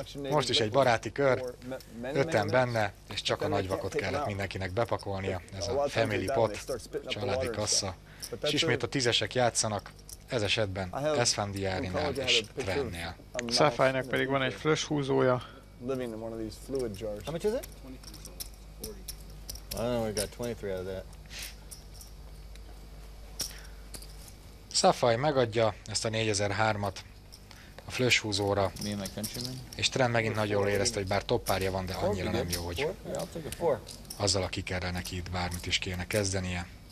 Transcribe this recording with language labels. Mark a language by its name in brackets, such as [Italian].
[Hungarian] Most is egy baráti kör, öten benne, és csak a nagyvakot kellett mindenkinek bepakolnia. Ez a family pot, családi kassa. És ismét a tízesek játszanak, ez esetben Esfán Diárinál és Trennél. Safai-nek pedig van egy flush húzója. [English] Living in one of these fluid jars. How much is it? 23, 40. I don't know, we got 23 out of that. [Hungarian] Safai megadja ezt a 4003-at a flush húzóra, és Trent megint nagyon jól érezte, hogy bár toppárja van, de annyira nem jó, hogy azzal a kikerre neki itt bármit is kéne kezdenie.